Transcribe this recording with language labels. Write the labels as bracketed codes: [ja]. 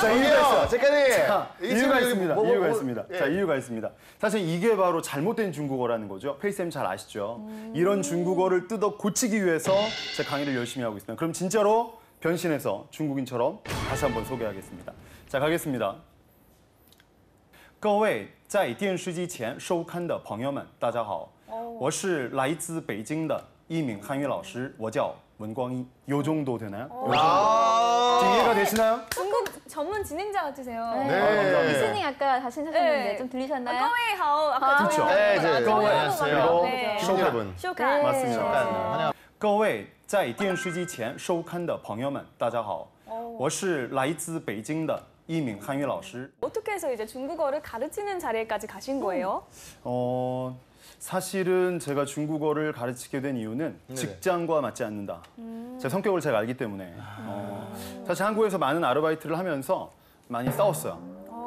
[ko] 자, 이유가 있어요, 잠깐이! 이유가 있습니다, 이유가 있습니다. 자, 이유가 있습니다. 사실 이게 바로 잘못된 중국어라는 거죠. 페이쌤 잘 아시죠? 이런 중국어를 뜯어 고치기 위해서 제 강의를 열심히 하고 있습니다. 그럼 진짜로 변신해서 중국인처럼 다시 한번 소개하겠습니다. 자, 가겠습니다. [zh] 各位在电视机前收看的朋友们大家好我是来自北京的一名汉语老师我叫 文光英, [ko] 요 정도 되나요? 이해가 되시나요? 중국 전문 진행자 같으세요. 네, 리스닝 아까 다시 하셨는데 좀 들리셨나요? 거웨이 하오, 아까 그쵸? 안녕하세요. 쇼카분. 쇼카. 맞습니다. [zh] 各位在电视机前收看的朋友们，大家好，我是来自北京的一名汉语老师。 [ko] 어떻게 해서 이제 중국어를 가르치는 자리까지 가신 거예요? 사실은 제가 중국어를 가르치게 된 이유는 네네. 직장과 맞지 않는다. 제 성격을 제가 알기 때문에. 사실 한국에서 많은 아르바이트를 하면서 많이 싸웠어요.